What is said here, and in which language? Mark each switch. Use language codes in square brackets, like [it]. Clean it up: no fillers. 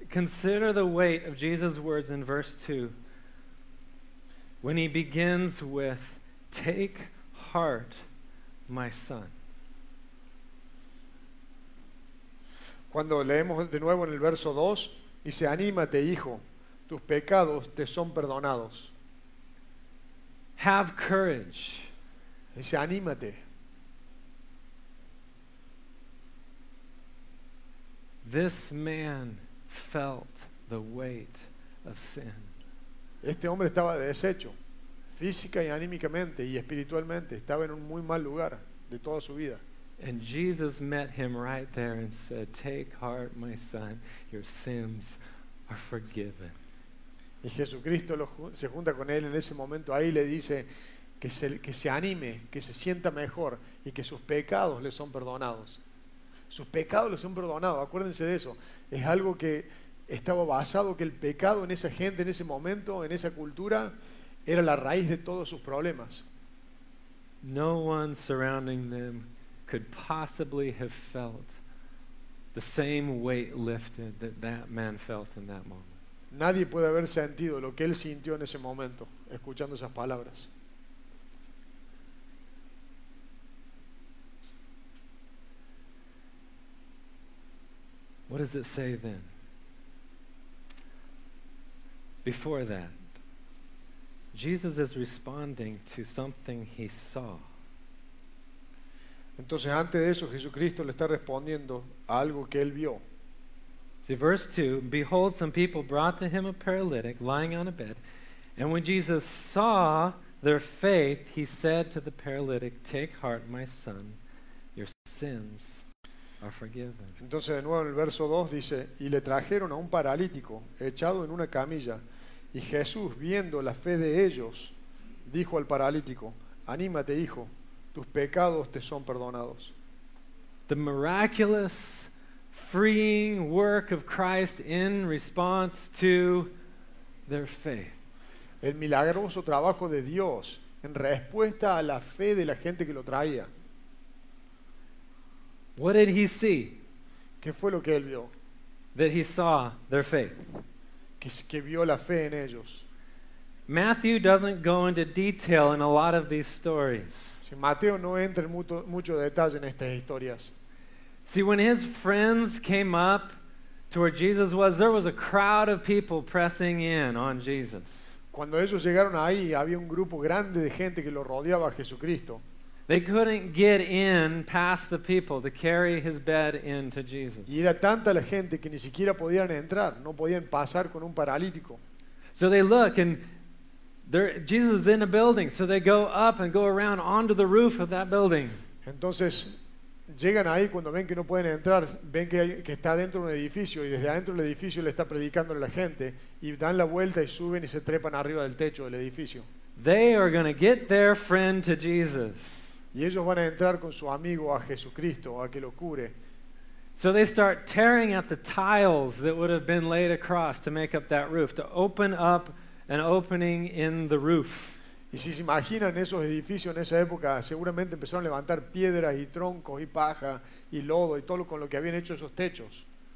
[en] Consider the weight of Jesus' words in verse 2 when he begins with, take heart, my son. [es] Cuando leemos de nuevo en el verso 2, dice, anímate, hijo, tus pecados te son perdonados. [en] Have courage. [es] Dice, anímate. [en] This man felt the weight of sin. [es] Este hombre estaba deshecho, física y anímicamente y espiritualmente. Estaba en un muy mal lugar de toda su vida. [en] And Jesus met him right there and said, take heart, my son, your sins are forgiven. [es] Y Jesucristo se junta con él en ese momento ahí y le dice que se anime, que se sienta mejor y que sus pecados le son perdonados. Sus pecados le son perdonados, acuérdense de eso. Es algo que estaba basado que el pecado en esa gente, en ese momento, en esa cultura, era la raíz de todos sus problemas. [en] No one surrounding them could possibly have felt the same weight lifted that man felt in that moment. [es] Nadie puede haber sentido lo que él sintió en ese momento escuchando esas palabras. [en] What does it say then? Before that, Jesus is responding to something he saw. [es] Entonces, antes de eso, Jesucristo le está respondiendo a algo que él vio. [en] See, verse 2, behold, some people brought to him a paralytic lying on a bed. And when Jesus saw their faith, he said to the paralytic, take heart, my son, your sins are forgiven. [es] Entonces, de nuevo, en el verso 2 dice, y le trajeron a un paralítico echado en una camilla. Y Jesús, viendo la fe de ellos, dijo al paralítico, anímate, hijo, tus pecados te son perdonados. [en] The miraculous freeing work of Christ in response to their faith. [es] El milagroso trabajo de Dios en respuesta a la fe de la gente que lo traía. [en] What did he see? [es] ¿Qué fue lo que él vio? [en] That he saw their faith. [es] Que vio la fe en ellos. [en] Matthew doesn't go into detail in a lot of these stories. [es] Si Mateo no entra en mucho detalle en estas historias. [en] See, when his friends came up to where Jesus was, there was a crowd of people pressing in on Jesus. [es] Cuando ellos llegaron ahí, había un grupo grande de gente que lo rodeaba a Jesucristo. [en] They couldn't get in past the people to carry his bed into Jesus. [es] Y era tanta la gente que ni siquiera podían entrar, no podían pasar con un paralítico. [en] So they look and Jesus is in a building, so they go up and go around onto the roof of that building. [es] Entonces llegan ahí cuando ven que no pueden entrar, ven que está dentro de un edificio y desde adentro del edificio le está predicando a la gente y dan la vuelta y suben y se trepan arriba del techo del edificio. [en] They are going to get their friend to Jesus. [es] Y ellos van a entrar con su amigo a Jesucristo, a que lo cure. [en] So they start tearing at the tiles that would have been laid across to make up that roof, to open up an opening in the roof. [es] Y si se imaginan esos edificios en esa época, seguramente empezaron a levantar piedras y troncos y paja y lodo y todo lo con lo que habían hecho esos techos.